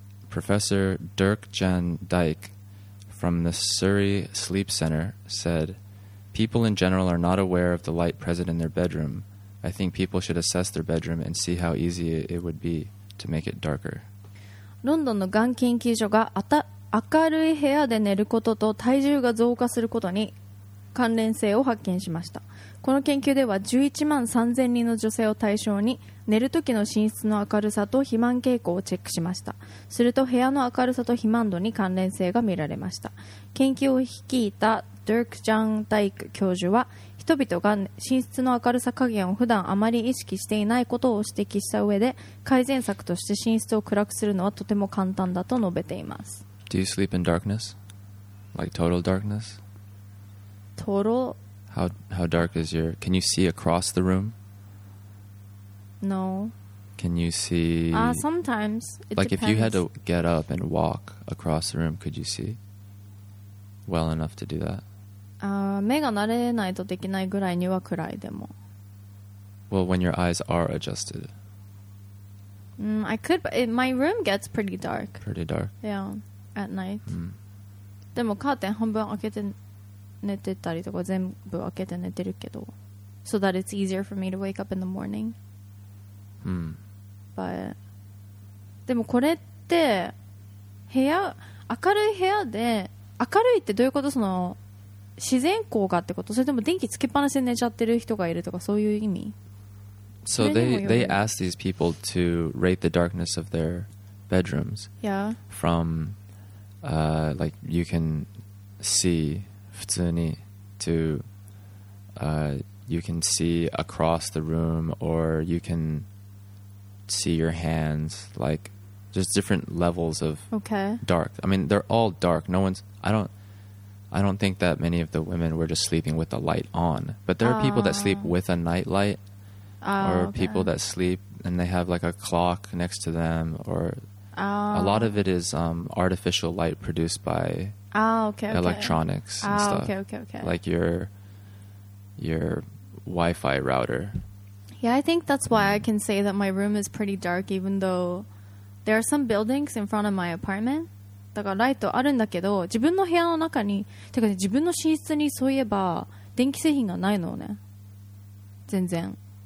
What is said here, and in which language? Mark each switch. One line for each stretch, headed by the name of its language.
English: Professor Dirk Jan Dyke from the Surrey Sleep Center said, "People in general are not aware of the light present in their bedroom. I think people should assess their bedroom and see how easy it would be to make it darker."
Japanese: ロンドンのがん研究所が明るい部屋で寝ることと体重が増加することに関連性を発見しました。この研究では11万3000人の女性を対象に寝るときの寝室の明るさと肥満傾向をチェックしました。すると部屋の明るさと肥満度に関連性が見られました。研究を率いたドゥーク・ジャン・ダイク教授は、人々が寝室の明るさ加減を普段あまり意識していないことを指摘した上で、改善策として寝室を暗くするのはとても簡単だと述べています。
English: Do you sleep in darkness? Like total darkness? Total? How dark is your... Can you see across the room? No. Can you see... Sometimes. Like if you had to get up and walk across the room, could you see well enough to do that?
Japanese: 目が慣れないとできないぐらいには暗いでも。
English: Well, when your eyes are adjusted. I could, but my room gets pretty dark. Pretty dark. Yeah, at night.
Japanese: でもカーテン半分開けて寝てたりとか全部開けて寝てるけど。
English: So that it's easier for me to wake up in the morning.
Japanese: But, でもこれって部屋、明るい部屋で、明るいってどういうこと？その自然光がってこと？それとも電気つけっぱなしで寝ちゃってる人がいるとかそういう意味？
English: So they asked these people to rate the darkness of their bedrooms. Yeah. From like you can see
Japanese: 普通に
English: to you can see across the room or you can see your hands, like there's different levels of dark. I mean, they're all dark. I don't think that many of the women were just sleeping with the light on. But there are people that sleep with a nightlight, or people that sleep and they have like a clock next to them, or a lot of it is artificial light produced by electronics and stuff. Like your Wi-Fi router. Yeah, I think that's why I can say that my room is pretty dark, even though there are some buildings in front of my apartment.
Japanese: だからライトあるんだけど、自分の部屋の中に、てか、ね、自分の寝室にそういえば電気製品がないのね、全然。